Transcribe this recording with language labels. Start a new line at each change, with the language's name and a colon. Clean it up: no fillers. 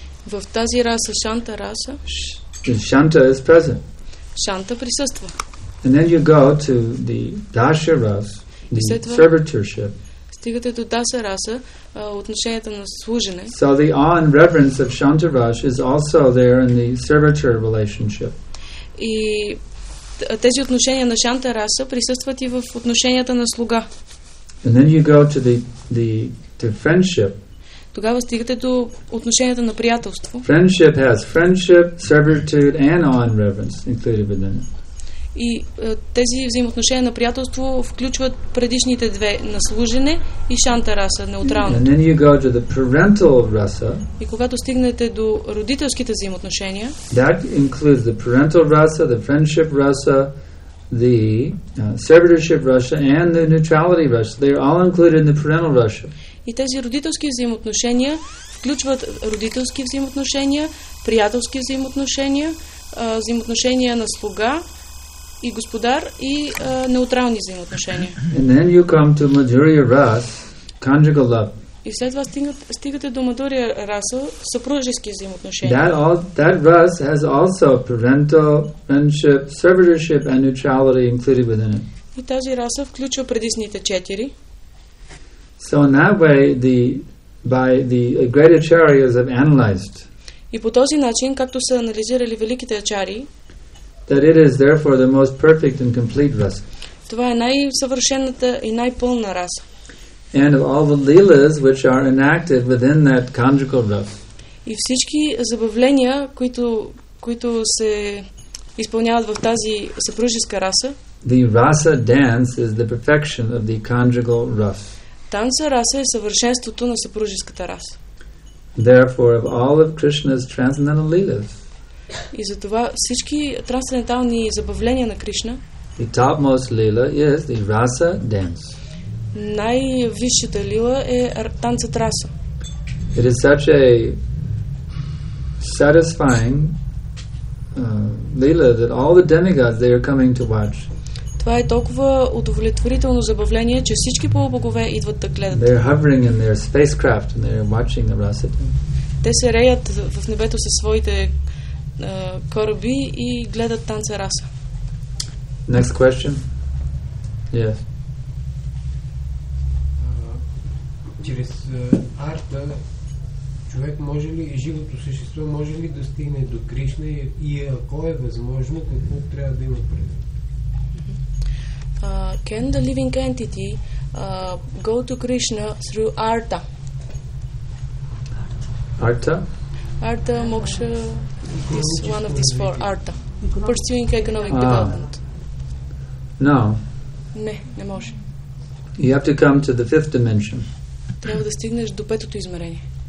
Bulgarian: в тази раса Shanta Rasa,
English: Shanta is present.
Bulgarian: Shanta присъства.
English: And then you go to the Dasha Ras, the servitorship.
Bulgarian: Стигате до Даса Раса, отношенията на служене.
English: So the awe and reverence of Shanta Ras is also there in the servitor relationship.
Bulgarian: И тези отношения на Шанта Раса присъстват и в отношенията на слуга.
English: And then you go to the friendship.
Bulgarian: Тогава стигате до отношенията на приятелство.
English: Friendship has friendship, servitude and awe and reverence included within it.
Bulgarian: И тези взаимоотношения на приятелство включват предишните две, на служене и Шанта Раса, неутралното.
English: And then you go to the parental rasa.
Bulgarian: И когато стигнете до родителските взаимоотношения,
English: that includes the parental rasa, the friendship rasa, the servitorship rasa and the neutrality rasa. They are all included in the parental rasa.
Bulgarian: И тези родителски взаимоотношения включват родителски взаимоотношения, приятелски взаимоотношения, взаимоотношения на слуга и господар и неутрални взаимоотношения.
English: And then you come to madhurya rasa, conjugal love.
Bulgarian: И след това стигате до madhurya rasa, съпружески взаимоотношения.
English: That rasa has also parental, friendship, servitorship and neutrality included within it.
Bulgarian: И тази раса включва предишните четири.
English: So in that way, the by the great acharyas have analyzed.
Bulgarian: И по този начин, както са анализирали великите ачари,
English: that it is therefore the most perfect and complete vessel.
Bulgarian: Това е най-съвършената и най-пълна раса.
English: And of all the leelas which are enacted within that conjugal vessel.
Bulgarian: И всички забавления, които се изпълняват в тази съпружеска раса.
English: The rasa dance is the perfection of the conjugal rasa.
Bulgarian: Танца раса е съвършенството на съпружеската раса.
English: Therefore, of all of Krishna's transcendental leelas.
Bulgarian: И затова всички трансцендентални забавления на Кришна.
English: The topmost leela is the rasa dance.
Bulgarian: Най-висшата лила е танцът раса.
English: It is such a satisfying leela that all the demigods they are coming to watch.
Bulgarian: Това е толкова удовлетворително забавление, че всички полубогове идват да гледат.
English: They are hovering in their spacecraft and they are watching the rasa dance.
Bulgarian: Те се реят в небето със своите кораби и гледат танца раса.
English: Next question. Yes.
Bulgarian: Чрез арта човек може ли, живото същество може ли да стигне до Кришна и ако е възможно, какво трябва да има предвид?
English: Can the living entity go to Krishna through arta? Arta? Arta, moksha is one of these four. Arta. Pursuing economic development. No.
Bulgarian: Не, не може.
English: You have to come to the fifth dimension.
Bulgarian: Трябва да стигнеш до петото измерение.